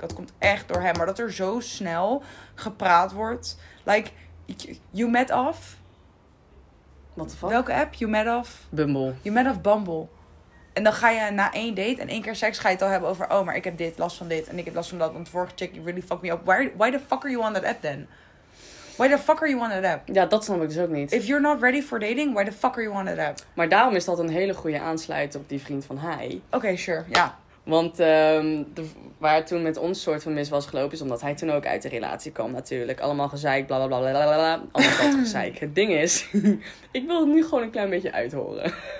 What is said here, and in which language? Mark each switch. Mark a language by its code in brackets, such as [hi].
[nl] Dat komt echt door hem. Maar dat er zo snel gepraat wordt... [en] Like, you met off. What the fuck? [nl] Welke app? [en] You met off. Bumble. You met off Bumble. [nl] En dan ga je na 1 date en 1 keer seks... Ga je het al hebben over... Oh, maar ik heb dit, last van dit. En ik heb last van dat. Want de vorige chick, [en] you really fucked me up. Why the fuck are you on that app then? Why the fuck are you on that app? [nl] Ja, dat snap ik dus ook niet. [en] If you're not ready for dating, why the fuck are you on that app? [nl] Maar daarom is dat een hele goede aansluiting op die vriend van hij. Oké, sure. Ja. Want waar het toen met ons soort van mis was gelopen, is omdat hij toen ook uit de relatie kwam natuurlijk. Allemaal gezeik, bla bla bla bla bla. Allemaal dat gezeik. Het ding is, ik wil het nu gewoon een klein beetje uithoren.